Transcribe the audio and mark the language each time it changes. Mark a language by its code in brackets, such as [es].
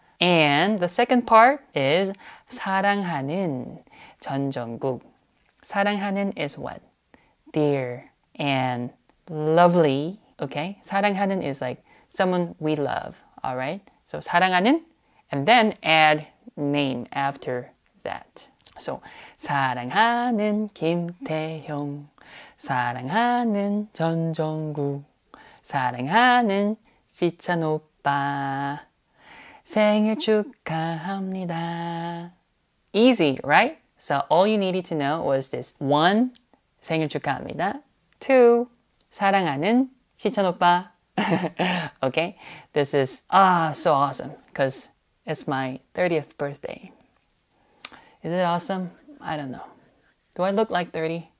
[en] And the second part is [ko] 사랑하는 전정국. [en] 사랑하는 is what? Dear and lovely, okay? 사랑하는 is like someone we love, all right? So 사랑하는, and then add name after that. [ko] So 사랑하는 김태형, 사랑하는 전정국, 사랑하는 시찬 오빠, 생일 축하합니다. [en] Easy, right? So all you needed to know was this. [ko] One, 생일 축하합니다. Two, 사랑하는 시찬 오빠. [en] Okay, this is so awesome because it's my 30th birthday. Is it awesome? I don't know. Do I look like 30?